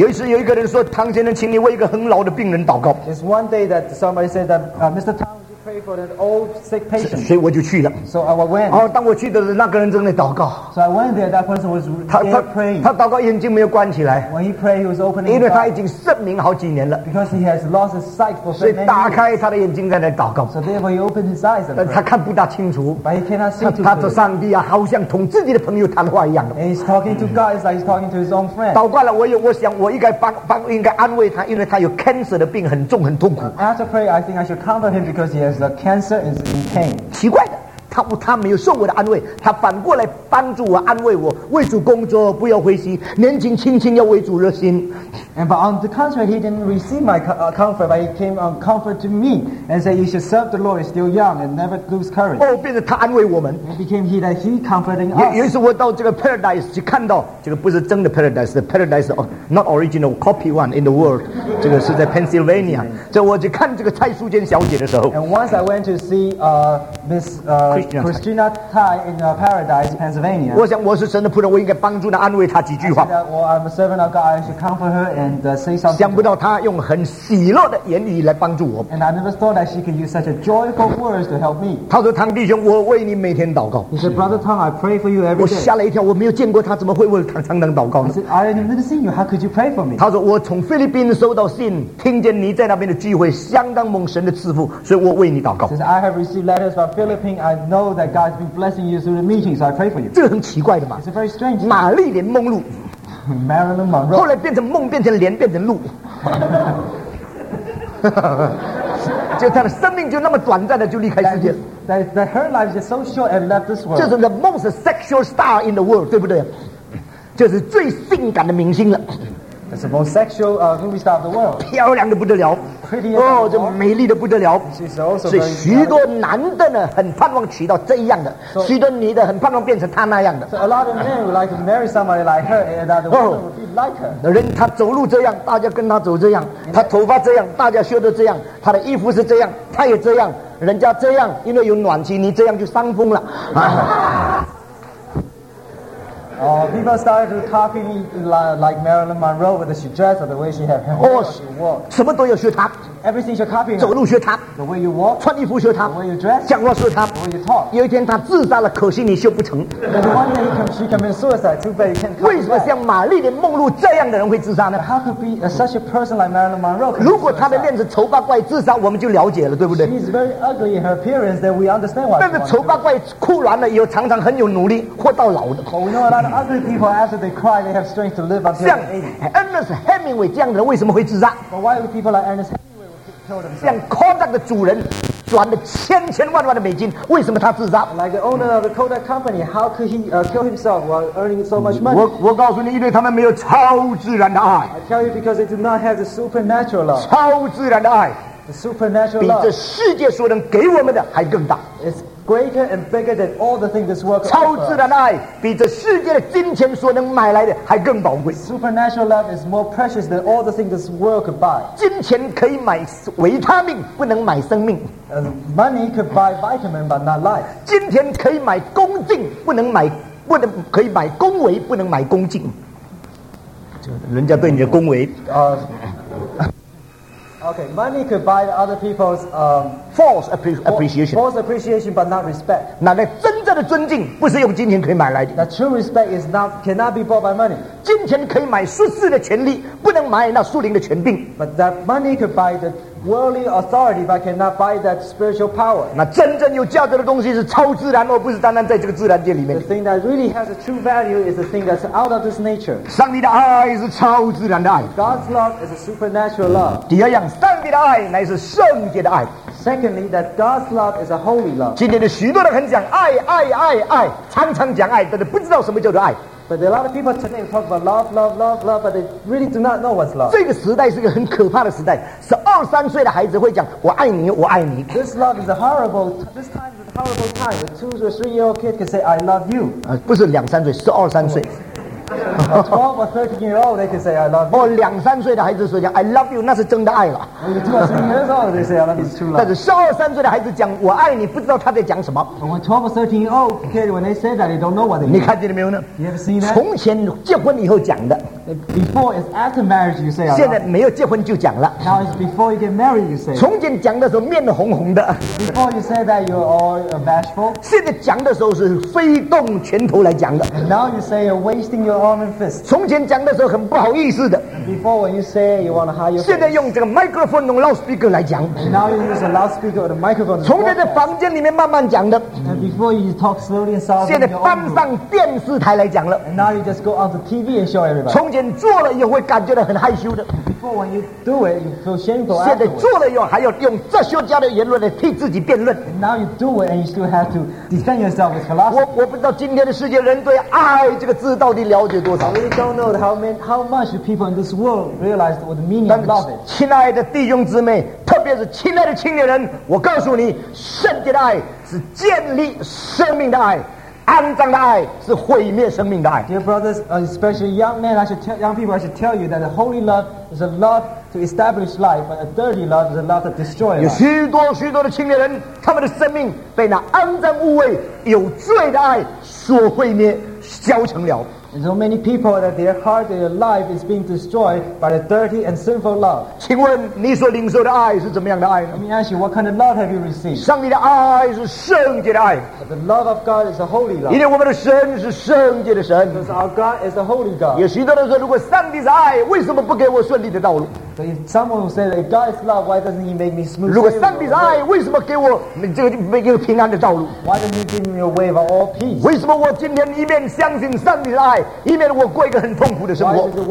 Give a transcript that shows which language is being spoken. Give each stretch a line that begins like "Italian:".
Chinese: 奇妙的一个事情有一次有一个人说唐先生请你为一个很老的病人祷告
English: It's one day that somebody said that Mr. Tang would you pray for an old sick patient
Chinese: 所以我就去了
English: So I went
Chinese: 当我去的那个人正在祷告
English: So I went there that person was there praying
Chinese: 他祷告眼睛没有关起来
English: When he prayed he was opening
Chinese: 因为他已经失明好几年了
English: Because he has lost his sight for so many years
Chinese: 所以打开他的眼睛在那祷告
English: So therefore he opened his eyes and prayed
Chinese: 他看不大清楚
English: But he cannot see too
Chinese: 他说上帝啊 好像同自己的朋友谈话一样的
English: And he's talking to God It's like he's talking to his own friend
Chinese: 祷告了我想我应该安慰他 因为他有cancer的病 很重很痛苦
English: After prayer I think I should comfort him because he has cancer is in pain
Chinese: 奇怪的他没有受我的安慰，他反过来帮助我，安慰我，为主工作不要灰心，年轻轻轻要为主热心。
English: And but on the contrary, he didn't receive my comfort, but he came on comfort to me and said, "You should serve the Lord still young and never lose courage."
Chinese: Oh, 变成他安慰我们。
English: It became he that he comforting us.
Chinese: 于是我到这个 paradise 去看到，这个不是真的 paradise,
English: the paradise of not original, copy one in the world.
Chinese: 这个是在 Pennsylvania. 所以我去看这个蔡淑娟小姐的时候。
English: And once I went to see Miss Christina Tai in Paradise, Pennsylvania.
Chinese: 我想我是神的仆人，我应该帮助她，安慰她几句话。
English: Well, I'm a servant of God. I should comfort her. And say something.
Chinese: 想不到他用很喜乐的言语来帮助我。
English: And I never thought that she could use such a joyful words to help me.
Chinese: 他说：“唐弟兄，我为你每天祷告。”
English: He said, "Brother Tom, I pray for you every day."
Chinese: 我吓了一跳，我没有见过他，怎么会为唐长能祷告呢？
English: I said, "I never seen you. How could you pray for me?"
Chinese: 他说：“我从菲律宾收到信，听见你在那边的聚会，相当蒙神的赐福，所以我为你祷告。”
English: He said, "I have received letters from Philippines. I know that God's been blessing you through the meeting, so I pray for you."
Chinese: 这很奇怪的嘛。
English: It's very strange.
Chinese: 玛丽莲梦露。
English: Marilyn Monroe.
Chinese: 后来变成梦，变成莲，变成鹿。就他的生命就那么短暂的就离开世界了。
English: That her life is so short and left this world.
Chinese: 就是
English: the most sexual star in the world,
Chinese: 对不对？就是最性感的明星了。
English: That's the most sexual movie star of the world.
Chinese: 漂亮的不得了。哦，这美丽的不得了。是许多男的呢，很盼望娶到这样的；许多女的很盼望变成她那样的。
English: So a lot of men would like to marry somebody like her, and that woman would be like her.
Chinese: 人他走路这样，大家跟他走这样；他头发这样，大家修的这样；他的衣服是这样，他也这样。人家这样，因为有暖气，你这样就伤风了。
English: Oh, people started to copy me like Marilyn Monroe with the dress or the way she had hair. Oh, walk.
Chinese: 什么都要学他。
English: Everything you copy.
Chinese: 走路学他。
English: The way you walk.
Chinese: 穿衣服学他。
English: The way you dress.
Chinese: 讲话学他。
English: The way you talk.
Chinese: 有一天他自杀了，可惜你修不成。
English: And one day she committed suicide. Too bad you can't copy.
Chinese: 为什么像玛丽莲梦露这样的人会自杀呢？
English: How could be such a person like Marilyn Monroe?
Chinese: 如果他的面子丑八怪自杀，我们就了解了，对不对？
English: She's very ugly in her appearance. Then we understand why.
Chinese: 但是丑八怪哭完了，有常常很有努力，活到老的。
English: But we know a lot of ugly people after they cry, they have strength to live until.
Chinese: 像 Ernest Hemingway 这样的人为什么会自杀？
English: But why would people like Ernest?
Chinese: 像 Kodak 的主人赚了千千万万的美金，为什么他自杀？
English: Like the owner of the Kodak company, how could he kill himself while earning so much money?
Chinese: 我告诉你，因为他们没有超自然的爱。
English: I tell you because they do not have the supernatural love.
Chinese: 超自然的爱
English: ，the supernatural love
Chinese: 比这世界所能给我们的还更大。
English: It's greater and bigger than all the things this world.
Chinese: 超自然的爱比这世界的金钱所能买来的还更宝贵。
English: Supernatural love is more precious than all the things this world could buy.
Chinese: 金钱可以买维他命，不能买生命。
English: Money could buy vitamin, but not life.
Chinese: 金钱可以买恭敬，不能可以买恭维，不能买恭敬。人家对你的恭维。
English: Okay, money could buy other people's false appreciation. False appreciation, but not respect.
Chinese: 那那真正的尊敬不是用金钱可以买来的。
English: That true respect is not cannot be bought by money.
Chinese: 金钱可以买属世的权力，不能买那属灵的权柄。
English: But that money could buy the worldly authority, but cannot buy that spiritual power.
Chinese: 那真正有价值的东西是超自然，而不是单单在这个自然界里面。
English: The thing that really has a true value is the thing that's out of this nature.
Chinese: 上帝的爱是超自然的爱。
English: God's love is a supernatural love.
Chinese: 第二样，上帝的爱乃是圣洁的爱。
English: Secondly, that God's love is a holy love.
Chinese: 今天的许多人很讲爱爱爱爱，常常讲爱，但是不知道什么叫做爱。
English: But there are a lot of people today talk about love, love, love, love, but they really do not know what's love.
Chinese: 这个时代是一个很可怕的时代。十二三岁的孩子会讲我爱你，我爱你。
English: This love is a horrible. This time is a horrible time. A 2 or 3 year old kid can say I love you.
Chinese: 不是两三岁，十二三岁。
English: 12 or 13 year old, they can say I love you.
Chinese: 哦，两三岁的孩子说讲
English: I love you,
Chinese: 那是真的爱了。
English: 12 or 13 years old, they say I love you, it's true love.
Chinese: 但是十二三岁的孩子讲我爱你，不知道他在讲什么。
English: When 12 or 13 year old kid, when they say that, they don't know what they mean.
Chinese: 你看见了没有呢？
English: You ever seen that?
Chinese: 从前结婚以后讲的。
English: Before is after marriage, you say.
Chinese: 现在没有结婚就讲了。
English: Now is before you get married, you say.
Chinese: 从前讲的时候面红红的。
English: Before you say that, you're all bashful.
Chinese: 现在讲的时候是挥动拳头来讲的。
English: And now you say you're wasting your arm and fist.
Chinese: 从前讲的时候很不好意思的。
English: Before when you say you want to hide your.
Chinese: 现在用这个 microphone 用 loudspeaker 来讲。
English: And now you use a loudspeaker or a microphone.
Chinese: 从前在房间里面慢慢讲的。
English: And before you talk slowly and softly.
Chinese: 现在搬上电视台来讲了。
English: And now you just go on the TV and show everybody.
Chinese: 从前先做了也会感觉到很害羞的。
English: Before when you do it, you feel shameful.
Chinese: 现在做了以后，还要用哲学家的言论来替自己辩论。
English: Now you do it, and you still have to defend yourself with philosophy.
Chinese: 我不知道今天的世界人对爱这个字到底了解多少。
English: I really don't know how much people in this world realize what the meaning of love is.
Chinese: 亲爱的弟兄姊妹，特别是亲爱的青年人，我告诉你，圣洁的爱是建立生命的爱。肮脏的爱是毁灭生命的爱。
English: Dear brothers, especially young men, young people, I should tell you that a holy love is a love to establish life, but a dirty love is a love to destroy life.
Chinese: 有许多许多的青年人，他们的生命被那肮脏污秽、有罪的爱所毁灭、消成了。
English: And so many people that their heart, their life is being destroyed by a dirty and sinful love.
Chinese: 请问你所领受的爱是怎么样的爱呢？
English: Let me ask you, what kind of love have you received?
Chinese: 上帝的爱是圣洁的爱。
English: But the love of God is a holy love.
Chinese: 因为我们的神是圣洁的神。
English: Because our God is a holy God.
Chinese: 有许多人说，如果上帝是爱，为什么不给我顺利的道路？
English: So if someone will say that if God is love, why doesn't He make me smooth?
Chinese: 如果上帝是爱，为什么给我这个平安的道路？
English: Why doesn't He give me a way of all peace?
Chinese: 为什么我今天一面相信上帝的爱？一面我过一个很痛苦的生活。